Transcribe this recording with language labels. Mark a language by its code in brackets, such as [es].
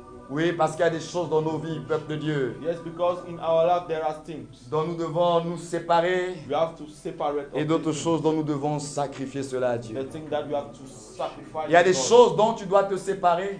[fr] Oui, parce qu'il y a des choses dans nos vies, peuple de Dieu. [en] Yes, because in our life there are things. [fr] Dont nous devons nous séparer. [en] We have to separate. [fr] Et d'autres choses dont nous devons sacrifier cela à Dieu. [en] The thing that you have to sacrifice. [fr] Il y a des choses dont tu dois te séparer.